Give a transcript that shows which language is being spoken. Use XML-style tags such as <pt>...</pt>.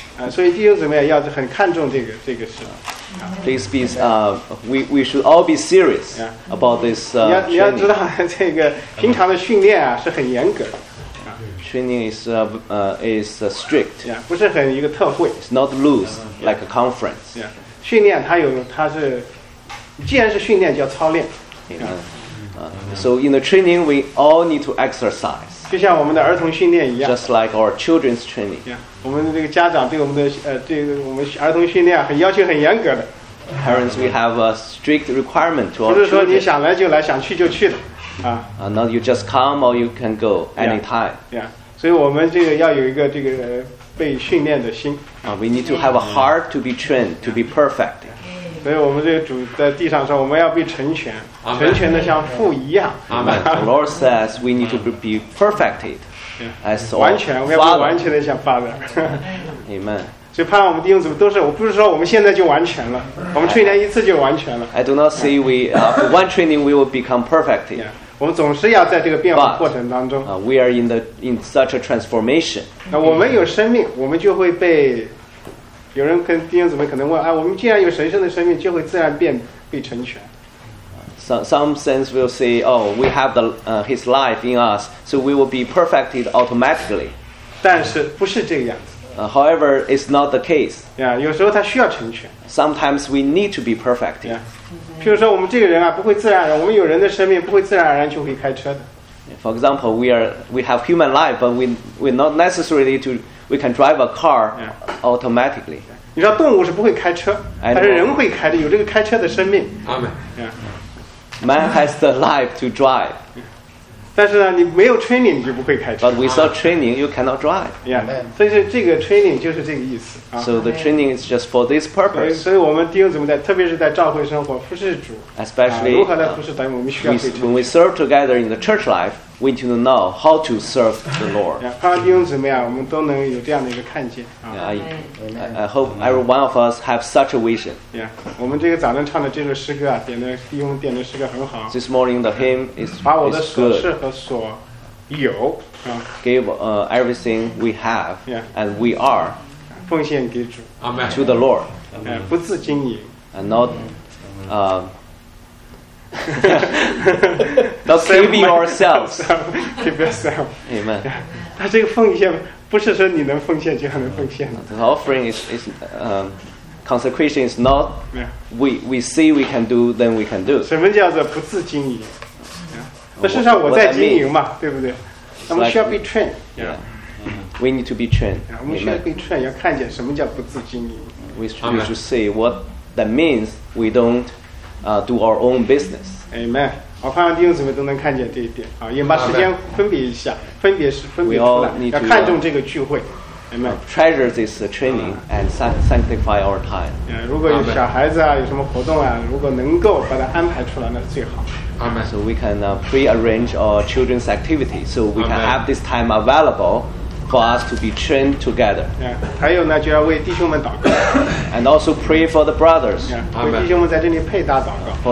<zh>所以弟兄姊妹要很看重这个事。</zh> <en>Please be, we should all be serious about this.</en> <zh>你要知道这个平常的训练啊是很严格的。</zh> <en>Training is strict.</en> <zh>不是很一个特会。</zh> <en>It's not loose like a conference.</en> <zh>Yeah. 训练它是既然是训练叫操练。</zh> <en>So in the training we all need to exercise.</en> <zh>就像我们的儿童训练一样。</zh> <en>Just like our children's training.</en> <zh>Yeah, 我们这个家长对我们的对我们儿童训练要求很严格的。</zh> <en>Parents, we have a strict requirement to our</en> <zh>children. 不是说你想来就来想去就去的。</zh> <en>Not you just come or you can go anytime.</en> <zh>Yeah, 所以我们这个要有一个这个被训练的心。</zh> <en>We need to have a heart to be trained, to be perfect.</en> <zh>所以我们这个主在地上说，我们要被成全，成全的像父一样。</zh> <en>Amen. The Lord says we need to be perfected as our Father.</en> <zh>完全，我们要完全的像 Father.</zh> <en>Amen.</en> <zh>所以盼望我们弟兄姊妹都是，我不是说我们现在就完全了，我们训练一次就完全了。</zh> <en>I do not see we for one training we will become perfect.</en> <zh>Yeah, 我们总是要在这个变化过程当中。</zh> <en>We are in such a transformation.</en> <zh>那我们有生命，我们就会被有人跟弟兄姊妹可能问，哎，我们既然有神圣的生命，就会自然被成全。</zh> <en>Some sense will say, oh, we have his life in us, so we will be perfected automatically.</en> <zh>但是不是这样子。</zh> <en>However, it's not the case.</en> <zh>Yeah, 有时候他需要成全。</zh> <en>Sometimes we need to be perfected. Yeah.</en> <zh>譬如说我们这个人啊，不会自然而然，我们有人的生命不会自然而然就会开车的。</zh> <en>For example, we have human life, but we're not necessarily to, we can drive a car automatically.</en> <zh>Yeah. 你知道动物是不会开车，但是人会开的，有这个开车的生命。</zh> <en>Amen. Yeah. Man has the life to drive.</en> <zh>但是呢，你没有 training 你就不会开车。</zh> <en>But without training, you cannot drive.</en> <zh>Yeah. 所以这个 training 就是这个意思。</zh> <en>So the training is just for this purpose.</en> <zh>所以我们弟兄姊妹在，特别是在教会生活，服侍主。</zh> <en>Especially,</en> <zh>如何来服侍主，我们需要被成全。</zh> <en>When we serve together in the church life, we need to know how to serve the Lord.</en> <zh>盼望弟兄姊妹啊，我们都能有这样的一个看见。</zh> <en>I hope every one of us have such a vision.</en> <zh>Yeah, 我们这个早上唱的这首诗歌啊，点的弟兄点的诗歌很好。</zh> <en>This morning the hymn is good.</en> <zh>把我的所是和所有啊</zh> <en>，give everything we have and we are,</en> <zh>奉献给主</zh> <en>to the Lord.</en> <zh>不自经营</zh> <en>and not not saving ourselves. Keep yourself. Amen.</en> <zh>他这个奉献。不是说你能奉献就能奉献的。</zh> <en>The offering is consecration is not we see we can do then we can do.</en> <zh>什么叫做不自经营？那实际上我在经营嘛，对不对？我们需要被 train.</zh> <en>Yeah. Yeah. We need to be trained.</en> <zh>我们需要被 train， 要看见什么叫不自经营。</zh> <en>We should see what that means. We don't do our own business. Amen.</en> <zh>我盼望弟兄姊妹都能看见这一点啊！也把时间分别一下，分别是分别出来，要看重这个聚会。</zh> <en>Amen. Treasure this training and sanctify our time.</en> <zh>如果有小孩子啊，有什么活动啊，如果能够把它安排出来，那是最好。</zh> <en>Amen. So we can prearrange our children's activity, so we can have this time available for us to be trained together.</en> <zh>还有呢，就要为弟兄们祷告。</zh> <en>And also pray for the brothers.</en> <zh>为弟兄们在这里配搭祷告。</zh>